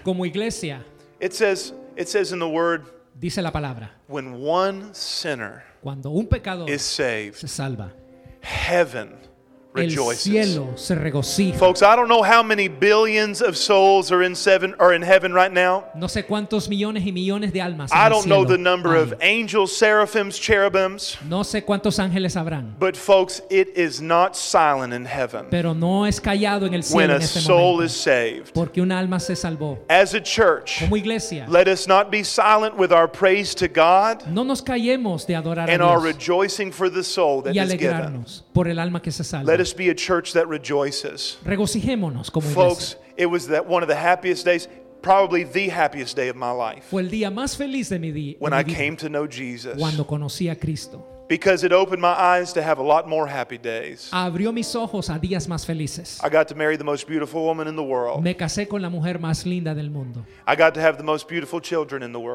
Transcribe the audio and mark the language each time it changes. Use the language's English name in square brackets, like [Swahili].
[Spanish] Como iglesia. [English] It says in the word. [Spanish] Dice la palabra. [English] When one sinner. [Spanish] Cuando un pecador. [English] Is saved. [Spanish] Se salva. [English] Heaven. [Spanish] El cielo se regocija. [English] Folks, I don't know how many billions of souls are in heaven right now. [Spanish] No sé cuántos millones y millones de almas. [English] I don't know the number of angels, seraphims, cherubims. [Spanish] No sé cuántos ángeles habrán. [English] But folks, it is not silent in heaven. [Spanish] Pero no es callado en el cielo. [English] When a soul is saved. [Spanish] Porque un alma se salvó. [English] As a church. [Spanish] Como iglesia. [English] Let us not be silent with our praise to God. [Spanish] No nos callemos de adorar a Dios. [English] And our rejoicing for the soul that is given. [Spanish] Y alegrarnos por el alma que se salva. [English] Let us be a church that rejoices. [Spanish] Regocijémonos como iglesia. [English] Folks, it was that one of the happiest days, probably the happiest day of my life. [Spanish] Fue el día más feliz de mi día. [English] When I came to know Jesus. [Spanish] Cuando conocí a Cristo. [English] Because it opened my eyes to have a lot more happy days. [Spanish] Abrió mis ojos a días más felices. [English] I got to marry the most beautiful woman in the world. [Spanish] Me casé con la mujer más linda del mundo. [English] I got to have the most beautiful children in the world.